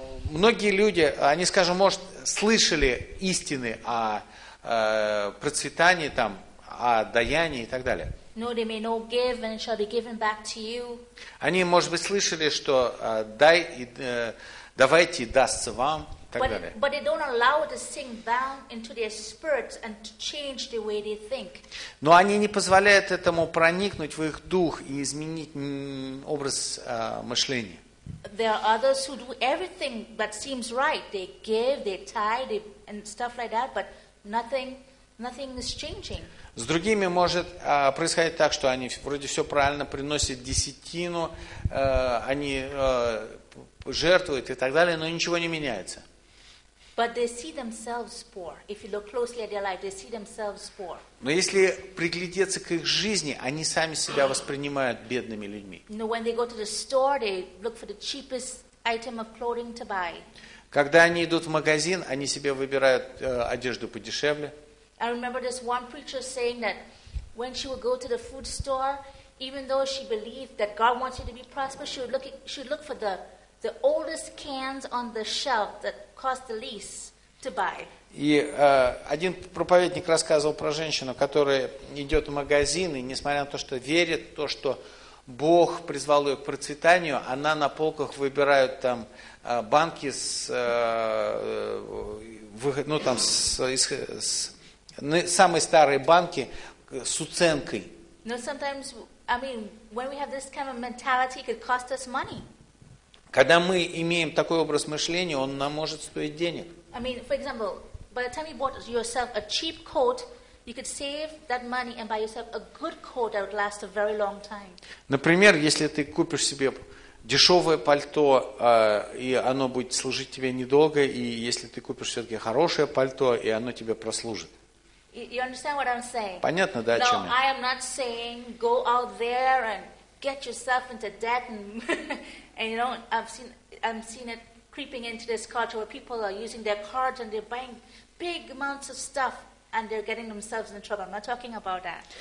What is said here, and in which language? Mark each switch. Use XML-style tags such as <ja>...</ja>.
<ru>Многие люди, они, скажем, может, слышали истины о процветании, там, о даянии и так далее.</ru> <en>No, they may not give and shall be given back to you.</en> <ru>Они, может быть, слышали, что дай, давайте дастся вам.</ru> <en>But they don't allow it to sink down into their spirits and to change the way they think.</en> <ru>Но они не позволяют этому проникнуть в их дух и изменить образ мышления.</ru> <en>There are others who do everything that seems right. They give, they tithe, they, and stuff like that, but nothing is changing.</en> <ru>С другими может происходить так, что они вроде все правильно приносят десятину, они жертвуют и так далее, но ничего не меняется.</ru> <en>But they see themselves poor. If you look closely at their life, they see themselves poor.</en> <ru>Но если приглядеться к их жизни, они сами себя воспринимают бедными людьми.</ru> <en>No, when they go to the store, they look for the cheapest item of clothing to buy.</en> <ru>Когда они идут в магазин, они себе выбирают одежду подешевле.</ru> <en>I remember this one preacher saying that when she would go to the food store, even though she believed that God wants you to be prosperous, she would look for the oldest cans on the shelf that cost the least to buy.</en> <ru>И один проповедник рассказывал про женщину, которая идет в магазин, и несмотря на то, что верит в то, что Бог призвал ее к процветанию, она на полках выбирает там банки с самые старые банки с уценкой.</ru> <en>No, sometimes, I mean, when we have this kind of mentality, it could cost us money.</en> <ru>Когда мы имеем такой образ мышления, он нам может стоить денег.</ru> <en>I mean, for example, by the time you bought yourself a cheap coat, you could save that money and buy yourself a good coat that would last a very long time.</en> <ru>Например, если ты купишь себе дешевое пальто, и оно будет служить тебе недолго, и если ты купишь все-таки хорошее пальто, и оно тебе прослужит.</ru> <en>You understand what I'm saying?</en> <ru>Понятно, да, о чем я?</ru> <en>No, I am not saying go out there and get yourself into debt and you know, I've seen it creeping into this culture where people are using their cards and they're buying big amounts of stuff and they're getting themselves in trouble. I'm not talking about that.</en>